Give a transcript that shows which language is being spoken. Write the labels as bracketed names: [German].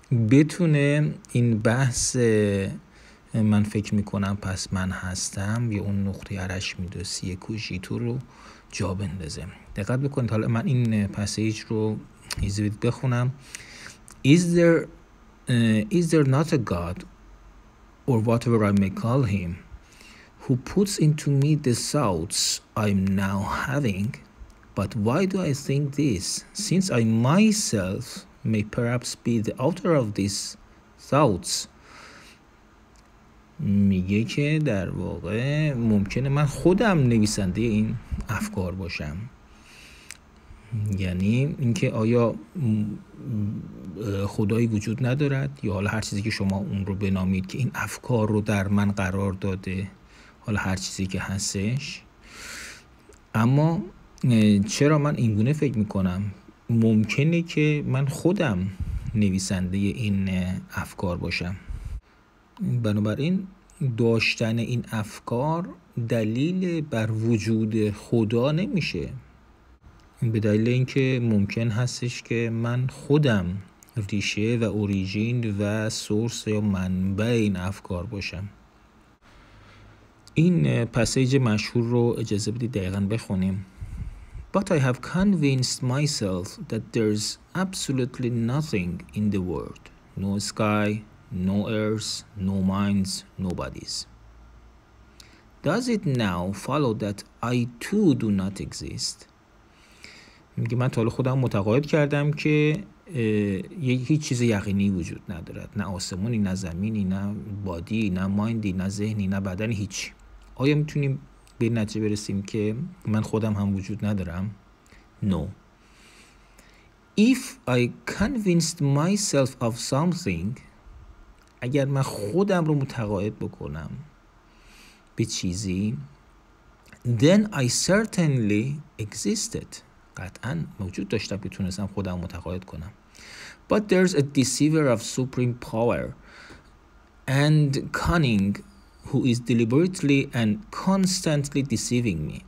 [Persian] بتونه این بحث من فکر میکنم پس من هستم یا اون نقطه عرش میدوسی کوژیتو رو جا بندازه. دقت بکنید، حالا من این پسیج رو ایزوید بخونم. [English] Is there not a God or whatever I may call him, who puts into me the thoughts I'm now having. But why do I think this, since I myself may perhaps be the author of these thoughts? [Persian] میگه که در واقع ممکنه من خودم نویسنده این افکار باشم، یعنی اینکه آیا خدایی وجود ندارد یا حالا هر چیزی که شما اون رو بنامید که این افکار رو در من قرار داده، حالا هر چیزی که هستش. اما چرا من اینگونه فکر میکنم؟ ممکنه که من خودم نویسنده این افکار باشم. بنابراین داشتن این افکار دلیل بر وجود خدا نمیشه، به دلیل اینکه ممکن هستش که من خودم ریشه و اوریجین و سورس یا منبع این افکار باشم. این پسیج مشهور رو اجازه بدید دقیقا بخونیم. [English] But I have convinced myself that there's absolutely nothing in the world. No sky, no earth, no minds, no bodies. Does it now follow that I too do not exist? [Persian] میگه من تا حالا خودم متقاعد کردم که هیچ چیز یقینی وجود ندارد. نه آسمونی، نه زمینی، نه بادی، نه مایندی، نه ذهنی، نه بدن، هیچ. آیا میتونیم به نتیجه برسیم که من خودم هم وجود ندارم؟ [English] No. If I convinced myself of something، [Persian] اگر من خودم رو متقاعد بکنم به چیزی، [English] then I certainly existed، [Persian] قطعا موجود داشتم که تونستم خودم متقاعد کنم. [English] But there's a deceiver of supreme power and cunning who is deliberately and constantly deceiving me.